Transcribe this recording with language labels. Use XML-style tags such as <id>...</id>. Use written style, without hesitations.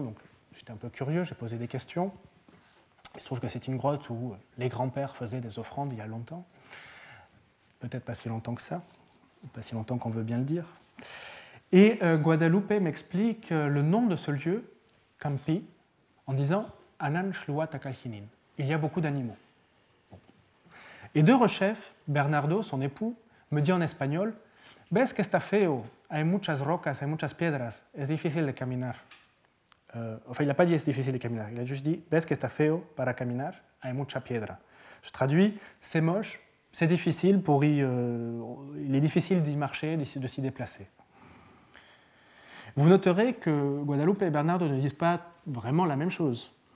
<fr>Donc j'étais un peu curieux, j'ai posé des questions. Il se trouve que c'est une grotte où les grands-pères faisaient des offrandes il y a longtemps, peut-être pas si longtemps que ça. Pas si longtemps qu'on veut bien le dire. Et Guadalupe m'explique le nom de ce lieu, Campi, en disant « Anan shlua takalhinin ». Il y a beaucoup d'animaux. Et de rechef, Bernardo, son époux, me dit en espagnol</fr> <es>« Ves que está feo, hay muchas rocas, hay muchas piedras, es difícil de caminar.</es> <fr>» Enfin, il n'a pas dit «</fr> <es>es difícil de caminar</es> <fr>», il a juste dit «</fr> <es>Ves que está feo para caminar, hay mucha piedra.</es> <fr>» Je traduis « c'est moche, c'est difficile pour y. Il est difficile d'y marcher, de s'y déplacer. » Vous noterez que Guadalupe et Bernardo ne disent pas vraiment la même chose.</fr>